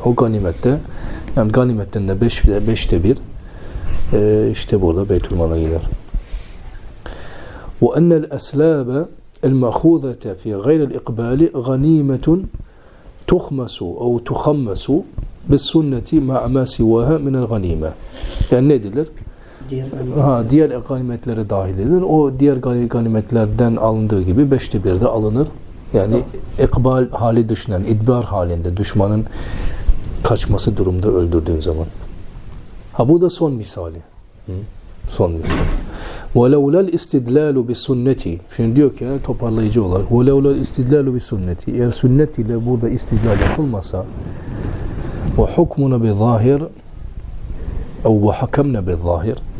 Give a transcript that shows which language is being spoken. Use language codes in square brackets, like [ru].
[tr] O ganimette, yani ganimetten de beşte bir işte burada Beytülmal'a gider. [ar] وأن الأسلاب المأخوذة في غير الإقبال غنيمة تخمس أو تخمس بالسنة مع ما سواها من الغنيمة. يعني [tr] ne dediler? Diğer ganimetlere dahil edilir. O diğer ganimetlerden alındığı gibi beşte bir de alınır. Yani ikbal hali düşünen, idbar halinde düşmanın kaçması durumda öldürdüğün zaman. Ha bu da son misali. Son misali. [ar] وَلَوْلَا الْاِسْتِدْلَالُ بِسُنَّتِي [tr] Şimdi diyor ki, yani toparlayıcı olarak وَلَوْلَا الْاِسْتِدْلَالُ بِسُنَّتِي Eğer sünnet ile burada istidlal yapılmasa [ar] وَحُكْمُنَ بِظَاهِرِ اَوْ وَحَكَمْنَ بِظَاهِرِ